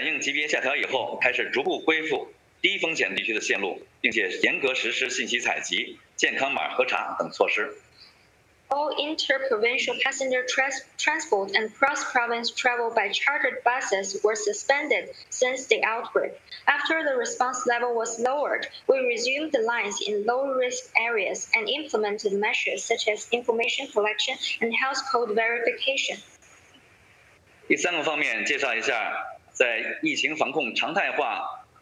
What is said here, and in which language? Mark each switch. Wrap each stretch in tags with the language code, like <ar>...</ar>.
<zh>跨省的长途客运也进行了暂停，响应级别下调以后，开始逐步恢复。低风险地区的线路，并且严格实施信息采集、健康码核查等措施。</zh> <en>All inter-provincial passenger transport and cross-province travel by chartered buses were suspended since the outbreak. After the response level was lowered, we resumed the lines in low-risk areas and implemented measures such as information collection and health code verification.</en> <zh>第三个方面，介绍一下在疫情防控常态化。</zh>